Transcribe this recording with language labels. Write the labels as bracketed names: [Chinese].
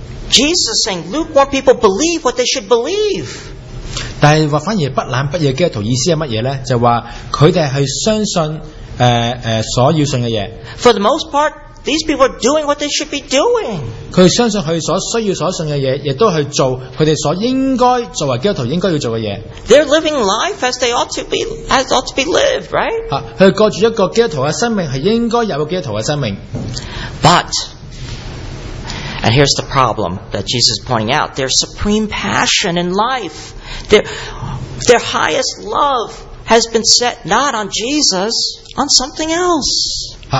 [English] Jesus is saying lukewarm people believe what they should believe. [Chinese] 但是反而不冷不熱的基督徒意思是什麼呢?就是說他們是相信所要信的東西。 [English] For the most part, these people are doing what they should be doing. [Chinese] 他們相信他們所需要所信的東西,也都是做他們所應該作為基督徒應該要做的東西。 [English] They're living life as they ought to be, as ought to be lived, right? [Chinese] 他們過著一個基督徒的生命,是應該有基督徒的生命。 [English] But, and here's the problem that Jesus is pointing out, their supreme passion in life, their highest love has been set not on Jesus, on something else.